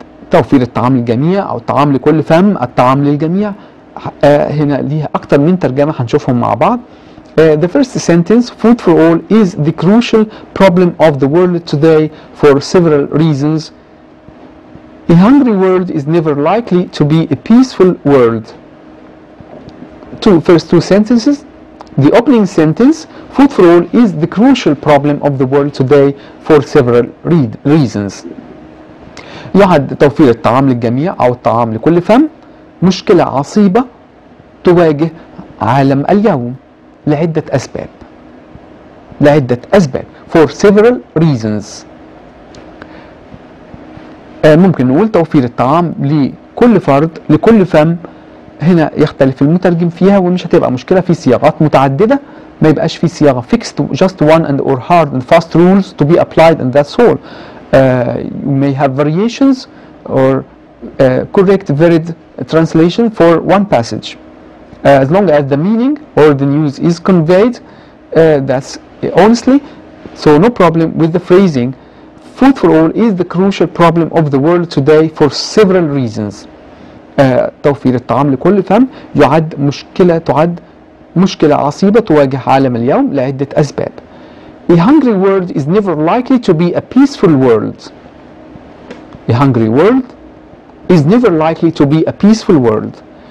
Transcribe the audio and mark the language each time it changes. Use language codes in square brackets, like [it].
[ar] توفير الطعام للجميع او طعام لكل فم، الطعام للجميع. هنا ليها اكتر من ترجمه هنشوفهم مع بعض. [en] The first sentence, food for all, is the crucial problem of the world today for several reasons. A hungry world is never likely to be a peaceful world. First two sentences. The opening sentence, food for all, is the crucial problem of the world today for several reasons. [ar] يعد توفير الطعام للجميع أو الطعام لكل فم مشكلة عصيبة تواجه عالم اليوم لعدة أسباب. لعدة أسباب. [en] For several reasons. [ar] ممكن نقول توفير الطعام لكل فرد، لكل فم. هنا يختلف المترجم فيها ومش هتبقى مشكلة في صياغات متعددة. ما يبقاش في صياغة [en] fixed just one and or hard and fast rules to be applied and that's all. You may have variations or correct varied translation for one passage. As long as the meaning or the news is conveyed, that's honestly, so no problem with the phrasing. Food for all is the crucial problem of the world today for several reasons. [ar] توفير الطعام لكل فم تعد مشكلة عصيبة تواجه عالم اليوم لعدة أسباب. [en] A hungry world is never likely to be a peaceful world. A hungry world is never likely to be a peaceful world.